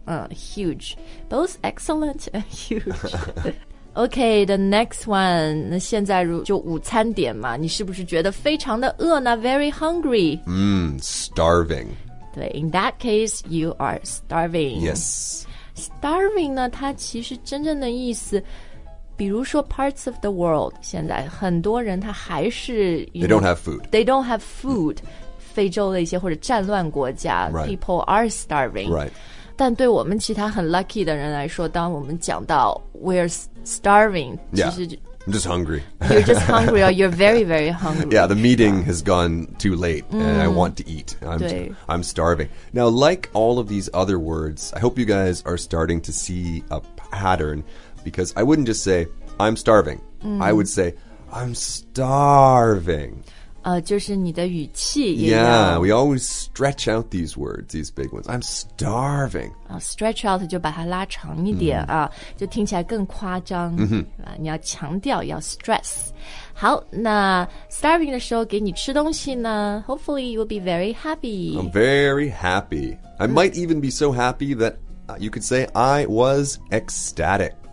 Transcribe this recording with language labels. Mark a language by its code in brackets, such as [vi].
[en] right. Huge Both excellent and huge OK the next one [zh] 那现在就午餐点嘛你是不是觉得非常的饿呢 Very hungry [en] Starving 对 In that case you are starving Yes [zh] Starving 呢它其实真正的意思比如说 [en] parts of the world [zh] 现在很多人他还是 [en] They don't have food They don't have food、 [zh] 非洲的一些或者战乱国家、 [en] right. People are starving、 right. [zh] 但对我们其他很 lucky 的人来说当我们讲到 [en] We're starving、 yeah. [zh] 其实 [en] I'm just hungry You're just hungry or you're very very hungry Yeah the meeting has gone too late And I want to eat I'm starving Now like all of these other words I hope you guys are starting to see a patternBecause I wouldn't just say, I'm starving.、I would say, I'm starving.、 [zh] 就是你的语气也要 [en] Yeah, we always stretch out these words, these big ones. I'm starving.、 [zh] stretch out 就把它拉长一点、就听起来更夸张、你要强调要 stress. 好那 starving 的时候给你吃东西呢 [en] Hopefully you will be very happy. I'm very happy. I might even be so happy that、you could say I was ecstatic.